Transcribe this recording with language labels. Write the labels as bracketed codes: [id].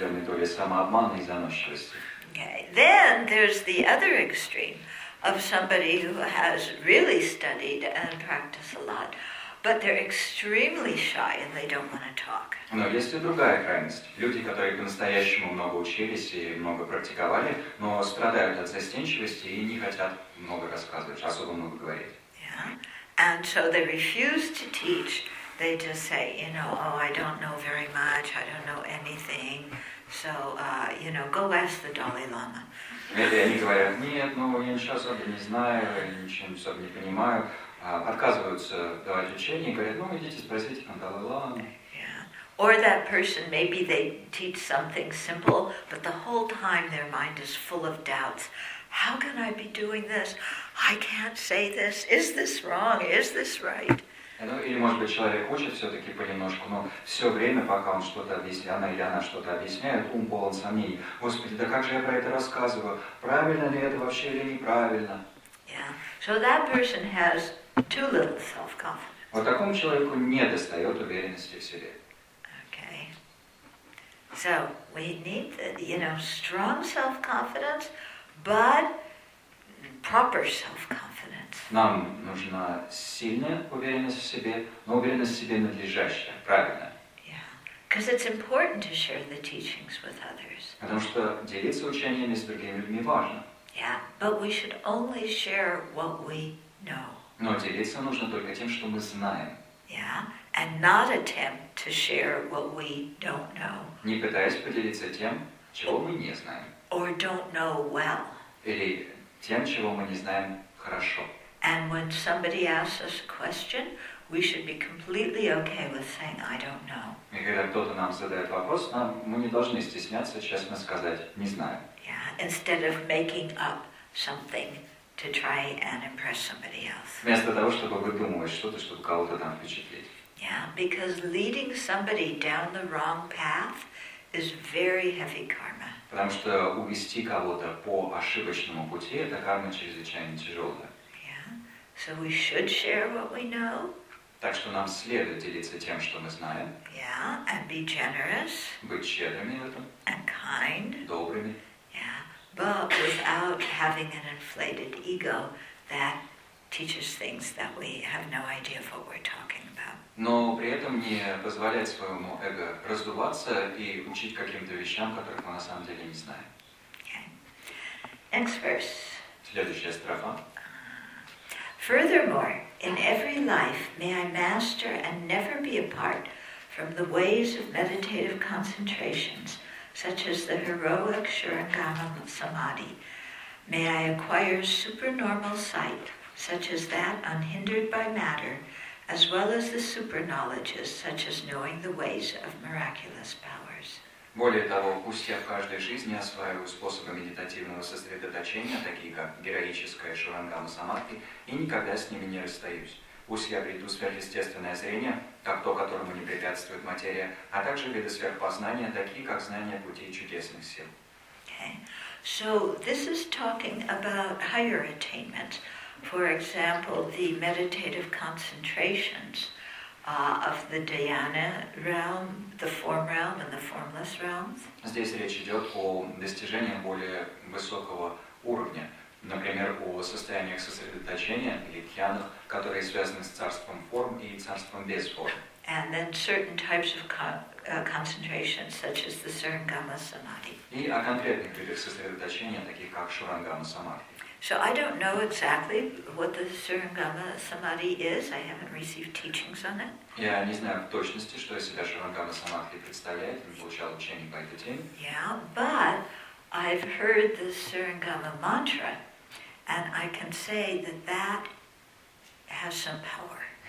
[en] Okay. Then there's the other extreme of somebody who has really studied and practiced a lot, but they're extremely shy and they don't want to talk. [ru] Но есть и другая крайность. Люди, которые по-настоящему много учились и много практиковали, но страдают от застенчивости и не хотят много рассказывать, особо много говорить. [en] Yeah. And so they refuse to teach. They just say, you know, oh, I don't know very much, I don't know anything. So, you know, go ask the Dalai Lama. [ru] Они говорят, нет, ну я ничего особо не знаю, ничего особо не понимаю. Отказываются давать учение и говорят, ну идите спросите там Далай Лама. [en] Yeah. Or that person, maybe they teach something simple, but the whole time their mind is full of doubts. How can I be doing this? I can't say this. Is this wrong? Is this right? [ru] Ну, или, может быть, человек учит все-таки понемножку, но все время, пока он что-то объясняет, она или она что-то объясняет, ум полон сомнений. Господи, да как же я про это рассказываю? Правильно ли это вообще или неправильно? [en] Yeah. So that person has too little self-confidence. [ru] Вот такому человеку не достает уверенности в себе. [en] Okay. So we need the, you know, strong self-confidence, but proper self-confidence. [ru] Нам нужна сильная уверенность в себе, но уверенность в себе надлежащая, правильная. [en] Yeah. 'Cause it's important to share the teachings with others. [ru] Потому что делиться учениями с другими людьми важно. [en] Yeah. But we should only share what we know. [ru] Но делиться нужно только тем, что мы знаем. [en] Yeah. And not attempt to share what we don't know. [ru] Не пытаясь поделиться тем, чего мы не знаем. [en] Or don't know well. [ru] Или тем, чего мы не знаем хорошо. [en] And when somebody asks us a question, we should be completely okay with saying, I don't know. [ru] И когда кто-то нам задает вопрос, мы не должны стесняться честно сказать, не знаю. [en] Yeah, instead of making up something to try and impress somebody else. [ru] Вместо того, чтобы выдумывать что-то, чтобы кого-то там впечатлить. [en] Yeah, because leading somebody down the wrong path is very heavy karma. [ru] Потому что увести кого-то по ошибочному пути, это карма чрезвычайно тяжелая. [en] So we should share what we know. [ru] Так что нам следует делиться тем, что мы знаем. [en] Yeah, and be generous. [ru] Быть щедрыми в этом. [en] And kind. [ru] Добрыми. [en] Yeah, but without having an inflated ego that teaches things that we have no idea of what we're talking about. [ru] Но при этом не позволять своему эго раздуваться и учить каким-то вещам, которых мы на самом деле не знаем. [en] Okay. Next verse. [ru] Следующая строфа. [en] Furthermore, in every life, may I master and never be apart from the ways of meditative concentrations, such as the heroic Shurangama Samadhi, may I acquire supernormal sight, such as that unhindered by matter, as well as the super-knowledges, such as knowing the ways of miraculous powers. [ru] Более того, пусть я в каждой жизни осваиваю способы медитативного сосредоточения, такие как героическая Шурангама Самадхи, и никогда с ними не расстаюсь. Пусть я обрету сверхъестественное зрение, как то, которому не препятствует материя, а также виды сверхпознания, такие как знание путей чудесных сил. [en] Okay. So this is talking about higher attainments. For example, the meditative concentrations of the dhyana realm, the form realm and the formless realms. [ru] Здесь речь идет о достижениях более высокого уровня. Например, о состояниях сосредоточения или дхьянах, которые связаны с царством форм и царством без форм. [en] And then certain types of concentrations, such as the Surangama Samadhi. [ru] И о конкретных видах сосредоточения, таких как Шурангама Самадхи. [en] So I don't know exactly what the Surangama Samadhi is. I haven't received teachings on it. [ru] Я не знаю в точности, что из себя Шурангама Самадхи представляет, не получал учений по этой теме. [en] Yeah, but I've heard the Surangama mantra, and I can say that that has some power.